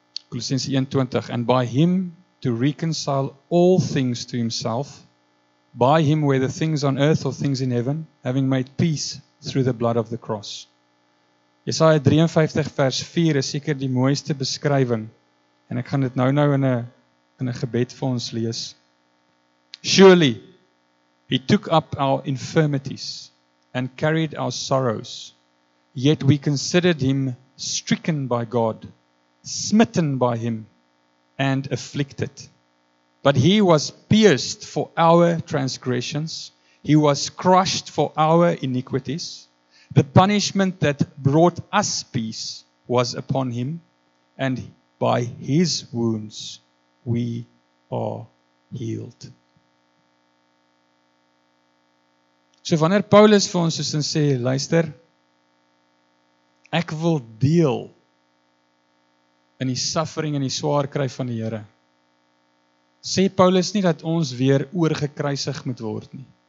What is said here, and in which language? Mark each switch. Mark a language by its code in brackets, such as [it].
[en] Kolossense 1:20, and by him to reconcile all things to himself, by him whether things on earth or things in heaven, having made peace through the blood of the cross. [af] Jesaja 53 vers 4 is seker die mooiste beskrywing, en ek gaan dit nou in een gebed vir ons lees. [en] Surely he took up our infirmities and carried our sorrows, yet we considered him stricken by God, smitten by him and afflicted. But he was pierced for our transgressions, he was crushed for our iniquities. The punishment that brought us peace was upon him, and by his wounds we are healed. [af] So wanneer Paulus vir ons is en sê, luister, ek wil deel in die suffering en die swaar kry van die Here, sê Paulus nie dat ons weer oorgekruisig moet word nie.